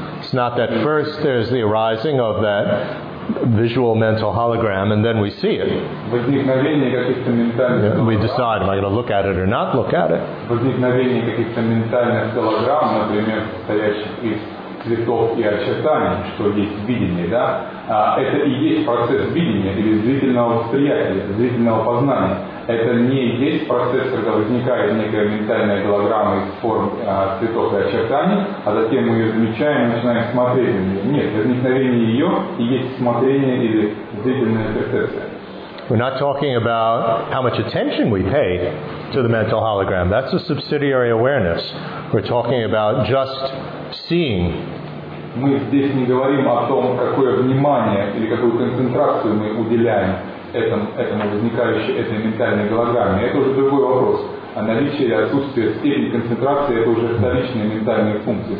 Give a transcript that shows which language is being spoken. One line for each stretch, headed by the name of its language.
English: It's not that first there's the arising of that visual mental hologram and then we see it.
Russian: Возникновение каких-то ментальных голограмм.
English: We decide, am I going to look at it or not look at it?
Russian: Возникновение каких-то ментальных голограмм, например, состоящих из цветов и очертаний, что есть видение, да? Это и есть процесс видения или зрительного восприятия, зрительного познания. Это не есть процесс, когда возникает некая ментальная голограмма из форм цветов и очертаний, а затем мы ее замечаем и начинаем смотреть на нее. Нет, возникновение ее и есть смотрение или зрительная перцепция.
English: We're not talking about how much attention we pay to the mental hologram. That's a subsidiary awareness. We're talking about just seeing.
Russian: Мы здесь не говорим о том, какое внимание или какую концентрацию мы уделяем этому возникающей этой ментальной голограмме. Это уже другой вопрос. А наличие или отсутствие степени концентрации это уже вторичные ментальные функции.